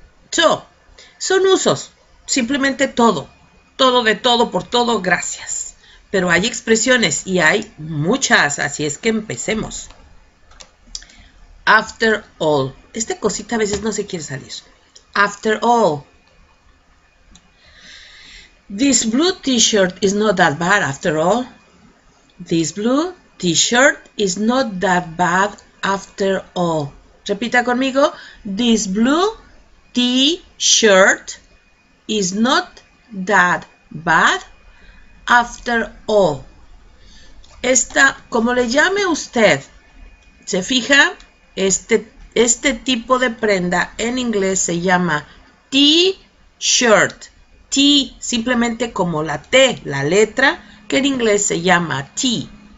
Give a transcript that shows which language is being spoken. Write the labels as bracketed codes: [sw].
[es] So, son usos. Simplemente todo. Todo de todo, por todo, gracias. Pero hay expresiones y hay muchas, así es que empecemos. After all. Esta cosita a veces no se quiere salir. [en] After all. This blue t-shirt is not that bad after all. This blue t-shirt is not that bad after all. [es] Repita conmigo. [en] This blue t-shirt is not that bad after all. [es] Esta, como le llame usted, se fija, este tipo de prenda en inglés se llama t-shirt. T, simplemente como la T, la letra, que en inglés se llama T.